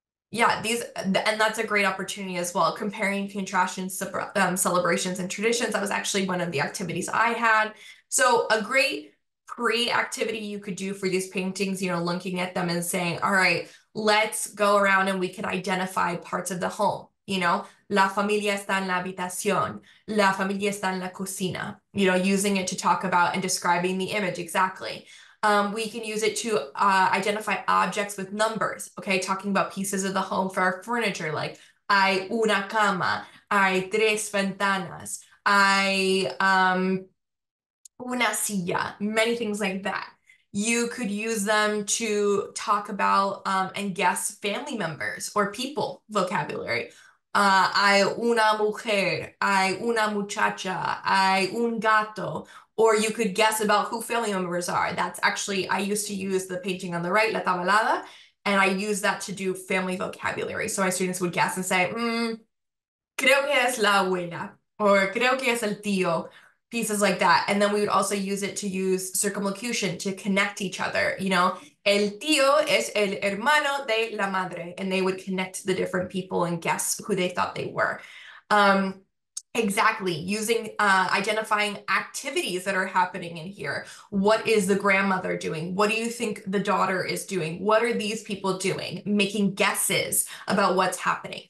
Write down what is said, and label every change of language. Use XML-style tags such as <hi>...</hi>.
<en>Yeah, these, and that's a great opportunity as well. Comparing, contrasting celebrations and traditions. That was actually one of the activities I had. So a great pre-activity you could do for these paintings, you know, looking at them and saying, all right, let's go around and we can identify parts of the home. You know,</en> <es>la familia está en la habitación. La familia está en la cocina.</es> <en>You know, using it to talk about and describing the image exactly. We can use it to identify objects with numbers, okay? Talking about pieces of the home for our furniture, like</en> <es>hay una cama, hay tres ventanas, hay una silla,</es> <en>many things like that. You could use them to talk about and guess family members or people vocabulary.</en> <es>Hay una mujer, hay una muchacha, hay un gato.</es> <en>Or you could guess about who family members are. That's actually, I used to use the painting on the right, La Tabalada, and I use that to do family vocabulary. So my students would guess and say,</en> <es>creo que es la abuela,</es> <en>or</en> <es>creo que es el tío,</es> <en>pieces like that. And then we would also use it to use circumlocution to connect each other. You know,</en> <es>el tío es el hermano de la madre.</es> <en>And they would connect the different people and guess who they thought they were. Exactly, using identifying activities that are happening in here. What is the grandmother doing? What do you think the daughter is doing? What are these people doing? Making guesses about what's happening.</en>